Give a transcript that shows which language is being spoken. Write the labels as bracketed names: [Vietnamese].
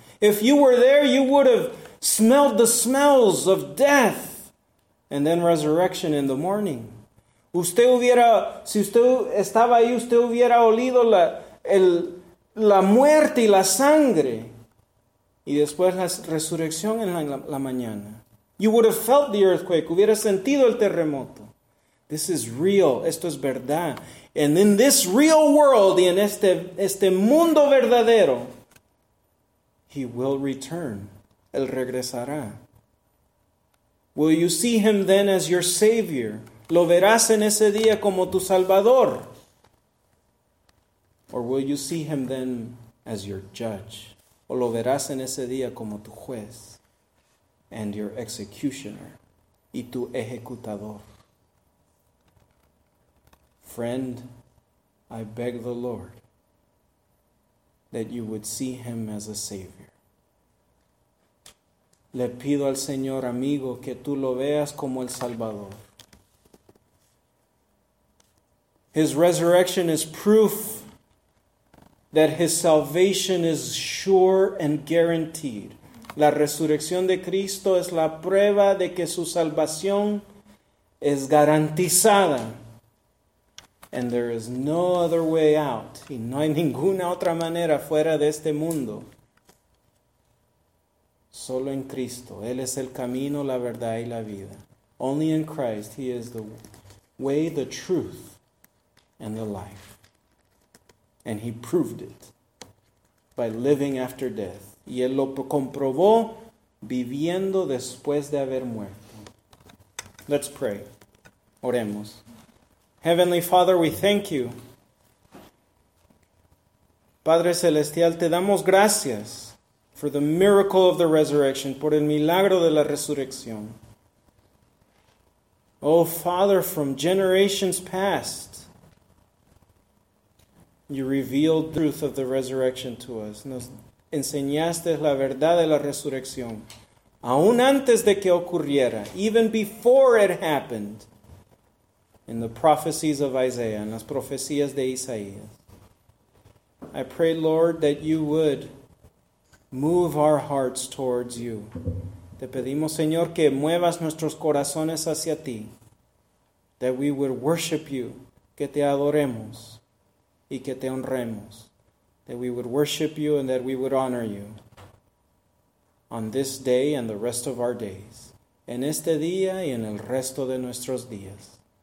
[English] If you were there, you would have smelled the smells of death and then resurrection in the morning. [Spanish] Usted hubiera, si usted estaba ahí, usted hubiera olido la muerte y la sangre y después la resurrección en la mañana. [English] You would have felt the earthquake. [Spanish] Hubiera sentido el terremoto. [English] This is real. [Spanish] Esto es verdad. [English] And in this real world, [Spanish] y en este mundo verdadero, [English] he will return. [Spanish] Él regresará. [English] Will you see him then as your savior? [Spanish] ¿Lo verás en ese día como tu salvador? [English] Or will you see him then as your judge? [Spanish] ¿O lo verás en ese día como tu juez? [English] And your executioner, [Spanish] y tu ejecutador. [English] Friend, I beg the Lord that you would see him as a savior. [Spanish] Le pido al Señor, amigo, que tú lo veas como el Salvador. [English] His resurrection is proof that his salvation is sure and guaranteed. [Spanish] La resurrección de Cristo es la prueba de que su salvación es garantizada. [English] And there is no other way out. [Spanish] Y no hay ninguna otra manera fuera de este mundo. Solo en Cristo. Él es el camino, la verdad y la vida. [English] Only in Christ. He is the way, the truth, and the life. And he proved it by living after death. [Spanish] Y él lo comprobó viviendo después de haber muerto. [English] Let's pray. [Spanish] Oremos. [English] Heavenly Father, we thank you. [Spanish] Padre Celestial, te damos gracias [English] for the miracle of the resurrection, [Spanish] por el milagro de la resurrección. [English] Oh, Father, from generations past, you revealed the truth of the resurrection to us. [Spanish] Nos enseñaste la verdad de la resurrección. Aún antes de que ocurriera, [English] even before it happened, in the prophecies of Isaiah, [Spanish] en las profecías de Isaías. [English] I pray, Lord, that you would move our hearts towards you. [Spanish] Te pedimos, Señor, que muevas nuestros corazones hacia ti. [English] That we would worship you. [Spanish] Que te adoremos y que te honremos. [English] That we would worship you and that we would honor you on this day and the rest of our days. [Spanish] En este día y en el resto de nuestros días.